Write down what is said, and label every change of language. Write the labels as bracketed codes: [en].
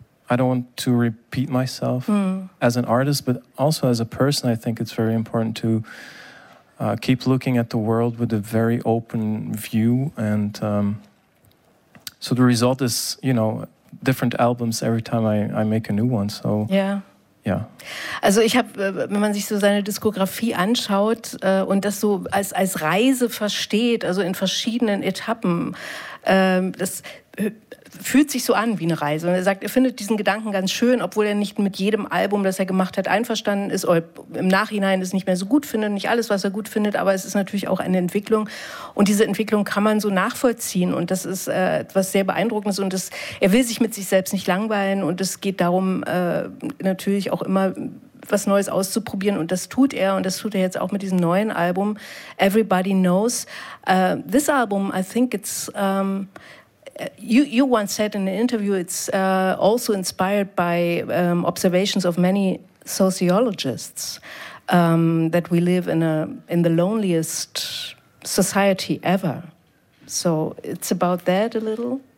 [en] I don't want to repeat myself as an artist, but also as a person, I think it's very important to keep looking at the world with a very open view. And so the result is, you know, different albums every time I make a new one, so yeah. [de] Ja. Also ich habe, wenn man sich so seine Diskografie anschaut und das so als Reise versteht, also in verschiedenen Etappen, das fühlt sich so an wie eine Reise. Und er sagt, er findet diesen Gedanken ganz schön, obwohl er nicht mit jedem Album, das er gemacht hat, einverstanden ist oder im Nachhinein es nicht mehr so gut findet, nicht alles, was er gut findet, aber es ist natürlich auch eine Entwicklung. Und diese Entwicklung kann man so nachvollziehen und das ist etwas sehr Beeindruckendes. Und er will sich mit sich selbst nicht langweilen und es geht darum, natürlich auch immer was Neues auszuprobieren und das tut er und das tut er jetzt auch mit diesem neuen Album Everybody Knows. [en] This album, I think it's... You once said in an interview it's also inspired by observations of many sociologists that we live in the loneliest society ever. So it's about that a little.